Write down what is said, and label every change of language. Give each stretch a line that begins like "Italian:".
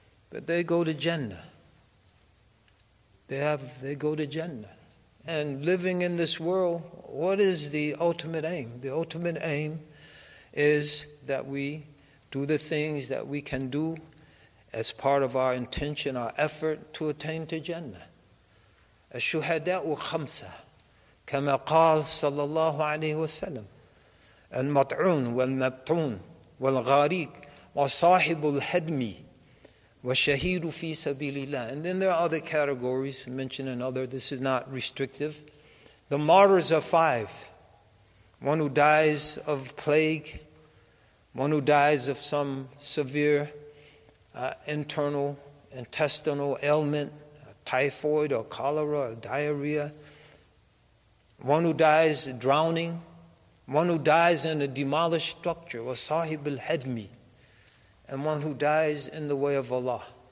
English: But they go to Jannah. They go to Jannah. And living in this world, what is the ultimate aim? The ultimate aim is that we do the things that we can do as part of our intention, our effort to attain to Jannah.
Arabic: الشهداء خمسة كما قال صلى الله عليه وسلم المطعون والمبتون والغاريق وصاحب الهدم والشهيد في سبيل الله.
English: And then there are other categories mentioned in other, this is not restrictive. The martyrs are five. One who dies of plague, one who dies of some severe internal intestinal ailment, typhoid or cholera or diarrhea, one who dies drowning, one who dies in a demolished structure,
Arabic: wa sahib al hadmi,
English: and one who dies in the way of Allah.